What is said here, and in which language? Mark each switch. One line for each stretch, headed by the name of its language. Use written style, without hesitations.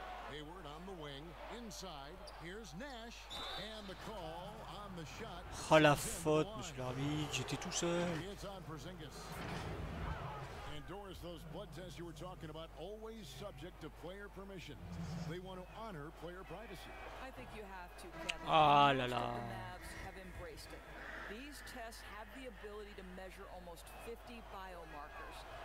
English: Hayward on the wing, inside, here's Nash, and the call on the shot.
French: Oh, la faute, monsieur l'arbitre, j'étais tout seul.
English: It's on Porzingis. And Doris, those blood tests you were talking about, always subject to player permission. They want to honor player privacy. I think you have to, Kevin.
French: Ah, là là.
English: The Mavs have embraced it. These tests have the ability to measure almost 50 biomarkers.